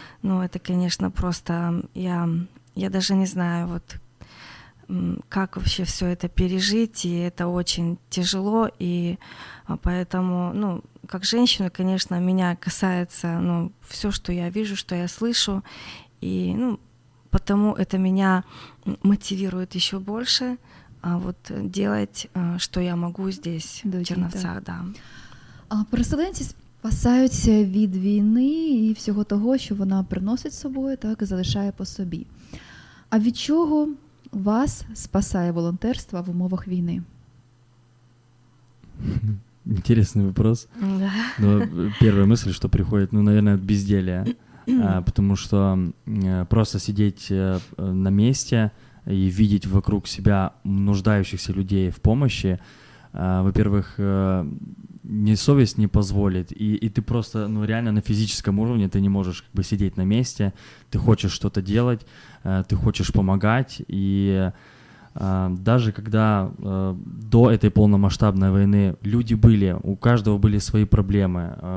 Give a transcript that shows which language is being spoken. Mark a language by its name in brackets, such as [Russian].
[Russian] Ну, это, конечно, просто я даже не знаю, вот как вообще все это пережить, и это очень тяжело, и поэтому, ну, как женщина, конечно, меня касается, ну, все, что я вижу, что я слышу, и, ну, потому это меня мотивирует еще больше вот делать, что я могу здесь, в Черновцах, да. [Ukrainian] А переселенці спасаються від війни і всього того, що вона приносить з собою, так, і залишає по собі. А від чого вас спасає волонтерство в умовах війни? [Russian] Интересный вопрос. Да. Но первая мысль, что приходит, ну, наверное, от безделья. Потому что просто сидеть на месте и видеть вокруг себя нуждающихся людей в помощи, во-первых, не совесть не позволит, и ты просто, ну, реально на физическом уровне ты не можешь как бы сидеть на месте, ты хочешь что-то делать, ты хочешь помогать, и даже когда до этой полномасштабной войны люди были, у каждого были свои проблемы,